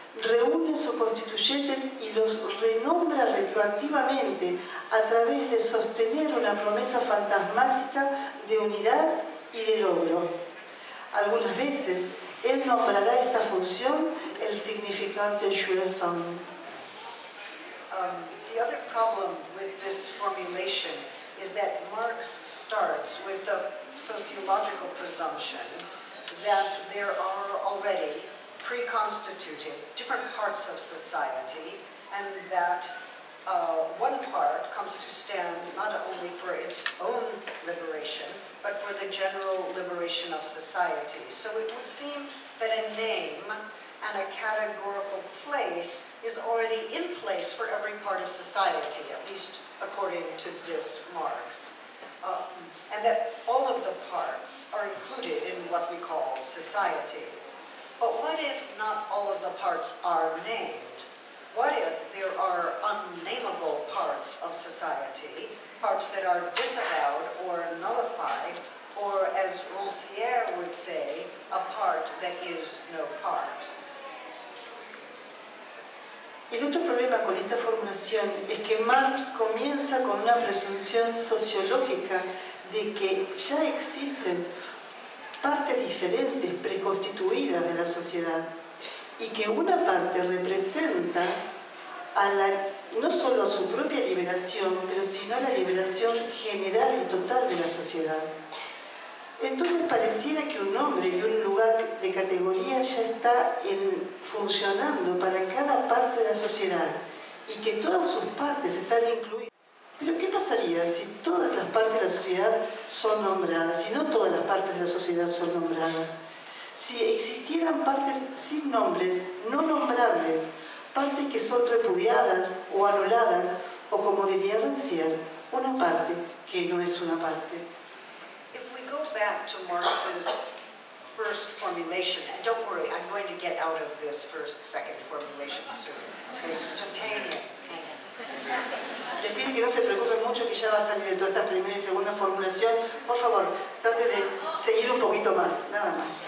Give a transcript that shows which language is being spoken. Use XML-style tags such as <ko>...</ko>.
<es>Reúne sus constituyentes y los renombra retroactivamente a través de sostener una promesa fantasmática de unidad y de logro. Algunas veces, él nombrará esta función el significante jouissance.</es> <en>The other problem with this formulation is that Marx starts with the sociological presumption that there are already pre-constituted different parts of society, and that one part comes to stand not only for its own liberation, but for the general liberation of society. So it would seem that a name and a categorical place is already in place for every part of society, at least according to this Marx. And that all of the parts are included in what we call society. But what if not all of the parts are named? What if there are unnameable parts of society, parts that are disavowed or nullified, or as Rancière would say, a part that is no part?</en> <es>El otro problema con esta formulación es que Marx comienza con una presunción sociológica de que ya existen partes diferentes preconstituidas de la sociedad y que una parte representa a la, no solo a su propia liberación, pero sino a la liberación general y total de la sociedad. Entonces pareciera que un nombre y un lugar de categoría ya está funcionando para cada parte de la sociedad y que todas sus partes están incluidas. Pero ¿qué pasaría si todas las partes de la sociedad son nombradas, si no todas las partes de la sociedad son nombradas? Si existieran partes sin nombres, no nombrables, partes que son repudiadas o anuladas, o como diría Rancière, una parte que no es una parte.</es> <en>If we go back to Marx's first formulation, and don't worry, I'm going to get out of this first, second formulation soon. Okay, just hang in.</en> <es>Les pido que no se preocupen mucho, que ya va a salir de toda esta primera y segunda formulación. Por favor, trate de seguir un poquito más, nada más.</es>